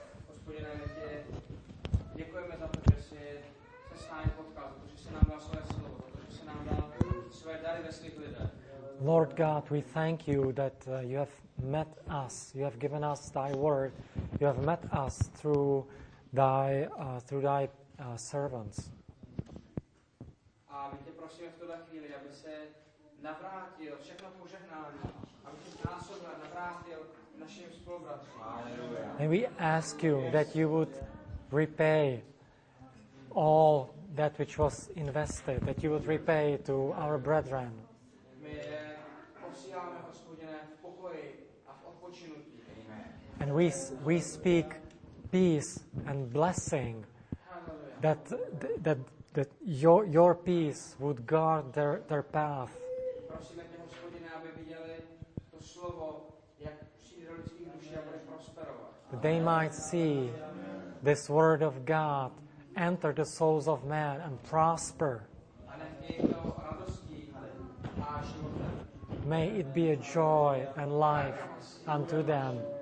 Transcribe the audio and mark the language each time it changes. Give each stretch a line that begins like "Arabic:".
Czech: Hospodine, my ti děkujeme za to, že jsi se s námi potkal, protože jsi nám dal své slovo, protože jsi nám dal své dary ve svých lidech.
English: Lord God, we thank you that you have met us. You have given us thy word. You have met us through thy servants.
Czech: A my tě prosíme v tuhle chvíli, aby se navrátil všechno požehnání, aby se násobil, navrátil našim spolubratřům.
English: And we ask you that you would repay all that which was invested, that you would repay to our brethren.
Czech: My je posíláme, Hospodine, v pokoji a v odpočinutí. Amen.
English: And we speak peace and blessing. Hallelujah. That your peace would guard their path.
Czech: Prosíme tě, Hospodine, aby viděli to slovo, jak přijde do lidských duší a bude prosperovat.
English: They might see this word of God enter the souls of man and prosper.
Czech: A nech je to radostí a životem.
English: May it be a joy and life unto them.